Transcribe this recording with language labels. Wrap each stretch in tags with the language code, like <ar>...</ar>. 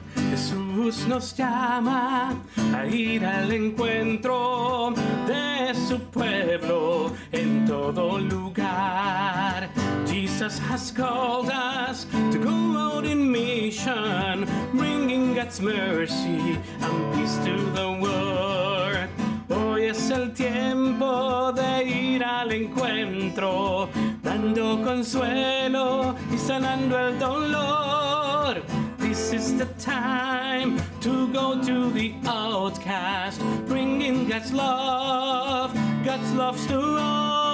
<es>Jesús nos llama a ir al encuentro de su pueblo en todo lugar.</es> <en>Jesus has called us to go out in mission, bringing God's mercy and peace to the world.</en> <es>Hoy es el tiempo de ir al encuentro, dando consuelo y sanando el dolor.</es> <en>This is the time to go to the outcast, bringing God's love to all.</en>